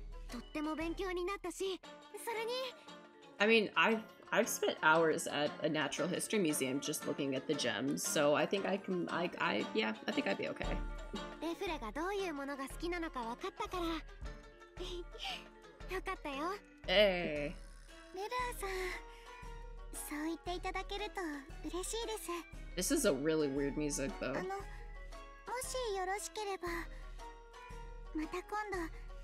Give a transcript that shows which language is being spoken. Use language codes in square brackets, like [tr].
[ja] とっても勉強になったし、それに、 [en] I mean, I've spent hours at a natural history museum just looking at the gems, so I think I can, I think I'd be okay. [ja] レフレがどういうものが好きなのか分かったから、よかったよ。 Hey. ルルアさん、そう言っていただけると嬉しいです。 [en] This is a really weird music, though. [ja] もしよろしければ、また今度。